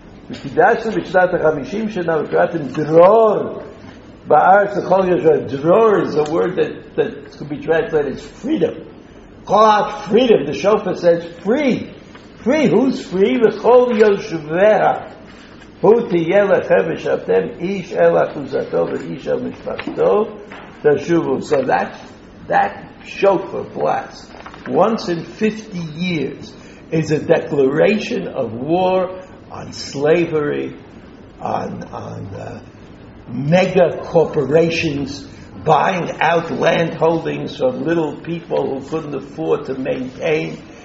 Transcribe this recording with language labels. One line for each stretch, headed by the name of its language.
Hebrew: וקידשנו בשנת החמישים שנה וקראתם דרור בארץ לכל ישראל.
English: דרור is a word that could be translated as freedom. Call out freedom. The shofar says free. Free. Who's free?
Hebrew: וכל יושביה. הוא תהיה לכם ושבתם איש אל אחוזתו ואיש אל משפחתו. תשובו.
English: So that shofar blast once in 50 years is a declaration of war on slavery, on mega corporations buying out land holdings from little people who couldn't afford to maintain.